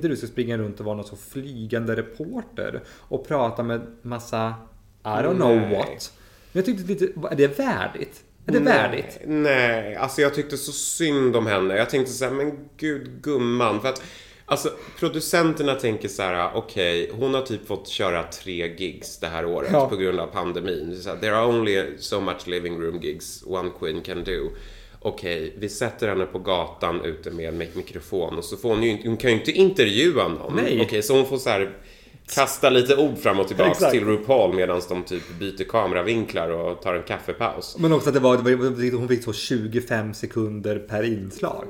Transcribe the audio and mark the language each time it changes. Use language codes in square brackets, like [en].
[sv] Där du ska springa runt och vara någon så flygande reporter. Och prata med massa, [en] I don't know what. [sv] Men jag tyckte lite, är det värdigt? Är det värdigt? Nej, alltså jag tyckte så synd om henne. Jag tänkte så här, men gud gumman. För att... Alltså producenterna tänker så här: okej, okay, hon har typ fått köra 3 gigs det här året, ja, på grund av pandemin. Så här, [en] there are only so much living room gigs one queen can do. [sv] Okej, okay, vi sätter henne på gatan ute med en mikrofon. Och så får hon kan ju inte intervjua någon. Nej. Okej, okay, så hon får så här kasta lite ord fram och tillbaka till RuPaul medan de typ byter kameravinklar och tar en kaffepaus. Men också att hon fick så 25 sekunder per inslag.